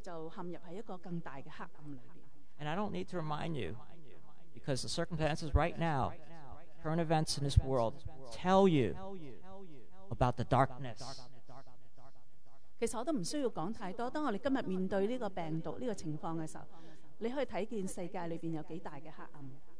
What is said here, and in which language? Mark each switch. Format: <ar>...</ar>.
<zh>他在這裡說他說父神向耶穌基督來到去轉念，當我們越遠離神的時候，我們就陷入在一個更大的黑暗裡面。</zh> <en>And I don't need to remind you, because the circumstances right now, current events in this world tell you about the darkness.</en> <zh>其實我都不需要說太多，當我們今天面對這個病毒這個情況的時候，你可以看見世界裡面有多大的黑暗。</zh>